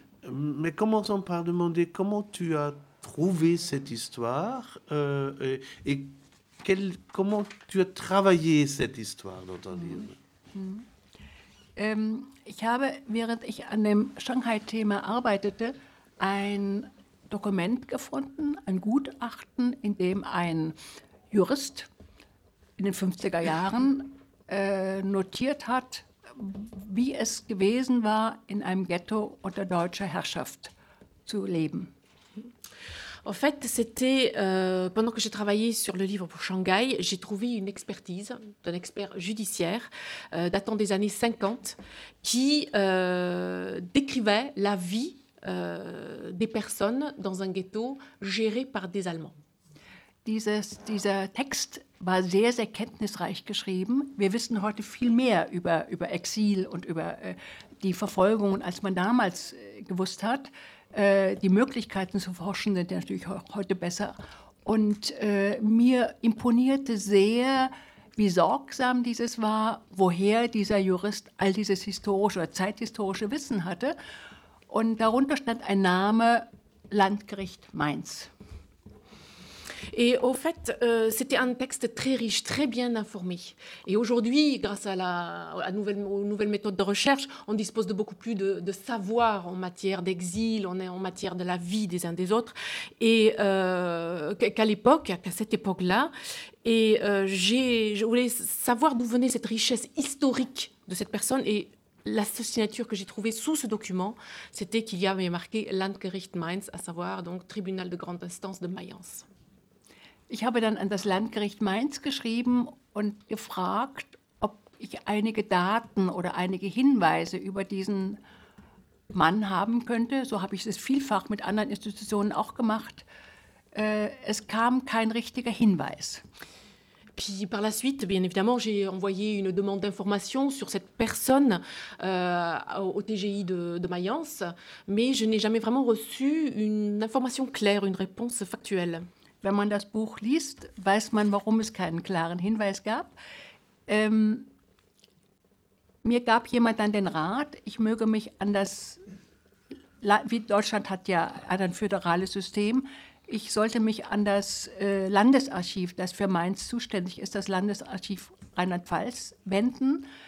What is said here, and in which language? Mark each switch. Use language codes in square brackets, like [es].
[fr] Mais commençons par demander comment tu as trouvé cette histoire et comment tu as travaillé cette histoire dans ton livre. [de] Ich habe, während ich an dem Shanghai-Thema arbeitete, ein Dokument gefunden, ein Gutachten, in dem ein Jurist in den 50er Jahren notiert hat, wie es gewesen war, in einem Ghetto unter deutscher Herrschaft zu leben. [fr] En fait, c'était pendant que j'ai travaillé sur le livre pour Shanghai, j'ai trouvé une expertise d'un expert judiciaire datant des années 50 qui décrivait la vie des personnes dans un ghetto géré par des Allemands. [de] Dieser Text war sehr, sehr kenntnisreich geschrieben. Wir wissen heute viel mehr über Exil und über die Verfolgung, als man damals gewusst hat. Die Möglichkeiten zu forschen sind natürlich heute besser. Und mir imponierte sehr, wie sorgsam dieses war, woher dieser Jurist all dieses historische oder zeithistorische Wissen hatte. Und darunter stand ein Name, Landgericht Mainz. [fr] Et au fait, c'était un texte très riche, très bien informé. Et aujourd'hui, grâce aux nouvelles méthodes de recherche, on dispose de beaucoup plus de savoir en matière d'exil, en matière de la vie des uns des autres, et qu'à cette époque-là. Et je voulais savoir d'où venait cette richesse historique de cette personne. Et la signature que j'ai trouvée sous ce document, c'était qu'il y avait marqué Landgericht Mainz, à savoir donc tribunal de grande instance de Mayence. [de] Ich habe dann an das Landgericht Mainz geschrieben und gefragt, ob ich einige Daten oder einige Hinweise über diesen Mann haben könnte. So habe ich es vielfach mit anderen Institutionen auch gemacht. Es kam kein richtiger Hinweis. [fr] Puis par la suite, bien évidemment, j'ai envoyé une demande d'information sur cette personne au TGI de Mayence, mais je n'ai jamais vraiment reçu une information claire, une réponse factuelle. [de] Wenn man das Buch liest, weiß man, warum es keinen klaren Hinweis gab. Mir gab jemand dann den Rat, ich möge mich an das, wie Deutschland hat ja ein föderales System, ich sollte mich an das Landesarchiv, das für Mainz zuständig ist, das Landesarchiv Rheinland-Pfalz, wenden.